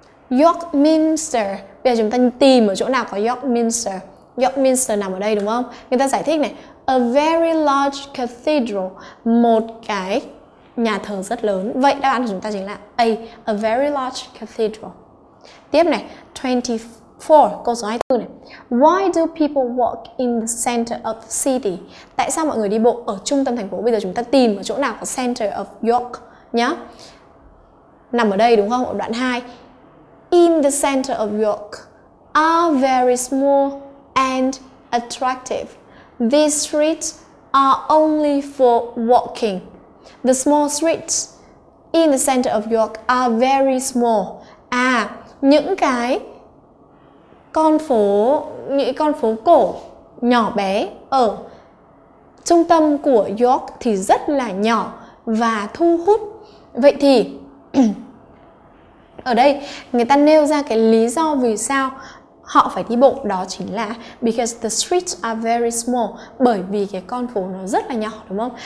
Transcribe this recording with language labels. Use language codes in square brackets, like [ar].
[vi] Yorkminster. Bây giờ chúng ta tìm ở chỗ nào có Yorkminster. Yorkminster nằm ở đây đúng không? Người ta giải thích này. [en] A very large cathedral. [vi] Một cái nhà thờ rất lớn. Vậy đáp án của chúng ta chính là [en] A very large cathedral. [vi] Tiếp này. 24. Câu số 24 này. [en] Why do people walk in the center of the city? [vi] Tại sao mọi người đi bộ ở trung tâm thành phố? Bây giờ chúng ta tìm ở chỗ nào có [en] center of York [vi] nhá. Nằm ở đây đúng không? Ở đoạn 2. [en] In the center of York are very small and attractive. These streets are only for walking. The small streets in the center of York are very small. [vi] À, những cái con phố cổ nhỏ bé ở trung tâm của York thì rất là nhỏ và thu hút. Vậy thì ở đây người ta nêu ra cái lý do vì sao họ phải đi bộ, đó chính là [en] because the streets are very small, [vi] bởi vì cái con phố nó rất là nhỏ đúng không?